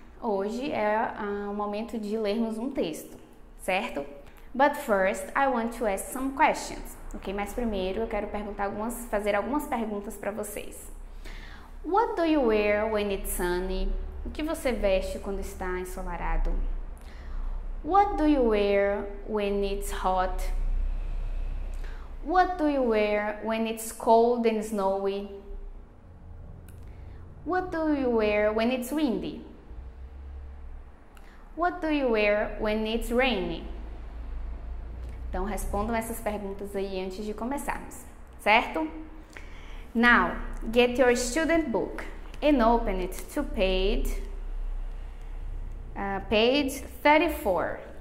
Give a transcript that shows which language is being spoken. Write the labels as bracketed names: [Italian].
[Portuguese] Hoje é o momento de lermos um texto, certo? [English] But first, I want to ask some questions, ok? [Portuguese] Mas primeiro eu quero fazer algumas perguntas para vocês. [English] What do you wear when it's sunny? [Portuguese] O que você veste quando está ensolarado? [English] What do you wear when it's hot? What do you wear when it's cold and snowy? What do you wear when it's windy? What do you wear when it's rainy? [Portuguese] Então, respondam essas perguntas aí antes de começarmos, certo? [English] Now, get your student book and open it to page 34.